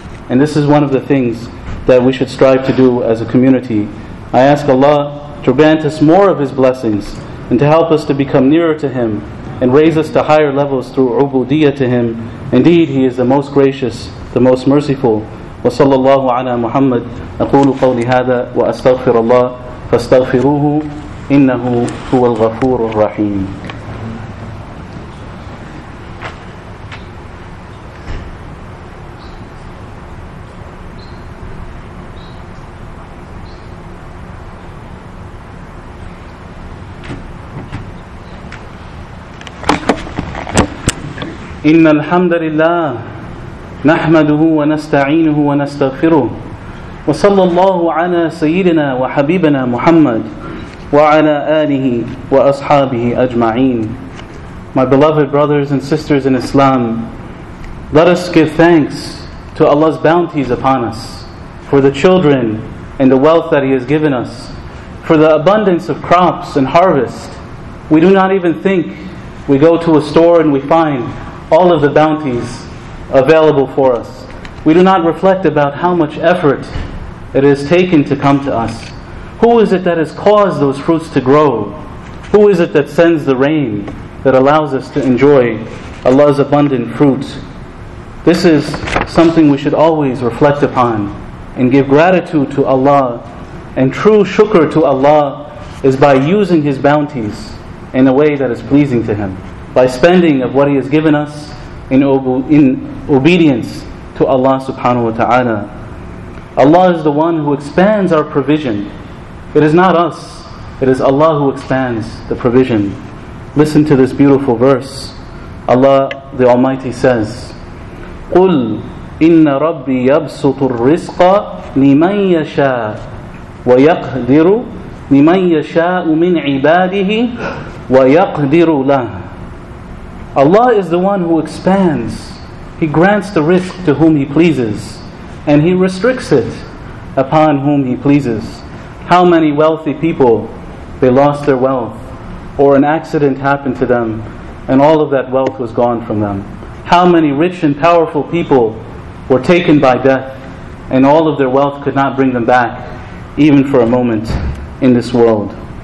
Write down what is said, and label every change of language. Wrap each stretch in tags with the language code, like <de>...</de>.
<en>And this is one of the things that we should strive to do as a community. I ask Allah to grant us more of His blessings and to help us to become nearer to Him and raise us to higher levels through ubudiyyah to Him. Indeed, He is the most gracious, the most merciful.</en> <ar>Wa sallallahu ala Muhammad. Aqulu qawli hadha wa astaghfir Allah. فاستغفروه إنه هو الغفور الرحيم إن الحمد لله نحمده ونستعينه ونستغفره وصلى الله على سيدنا وحبيبنا محمد وعلى آله وأصحابه أجمعين.</ar> <en>My beloved brothers and sisters in Islam, let us give thanks to Allah's bounties upon us, for the children and the wealth that He has given us, for the abundance of crops and harvest. We do not even think, we go to a store and we find all of the bounties available for us. We do not reflect about how much effort it is taken to come to us. Who is it that has caused those fruits to grow? Who is it that sends the rain that allows us to enjoy Allah's abundant fruit? This is something we should always reflect upon and give gratitude to Allah. And true shukr to Allah is by using His bounties in a way that is pleasing to Him, by spending of what He has given us in obedience to Allah subhanahu wa ta'ala. Allah is the one who expands our provision. It is not us. It is Allah who expands the provision. Listen to this beautiful verse. Allah the Almighty says,</en> <ar>قُلْ إِنَّ رَبِّي يَبْسُطُ الرِّزْقَ لِمَنْ يَشَاءُ وَيَقْدِرُ لِمَنْ يَشَاءُ مِنْ عِبَادِهِ وَيَقْدِرُ لَهُ</ar> <en>Allah is the one who expands. He grants the rizq to whom He pleases. And He restricts it upon whom He pleases. How many wealthy people, they lost their wealth, or an accident happened to them, and all of that wealth was gone from them. How many rich and powerful people were taken by death, and all of their wealth could not bring them back, even for a moment, in this world.</en>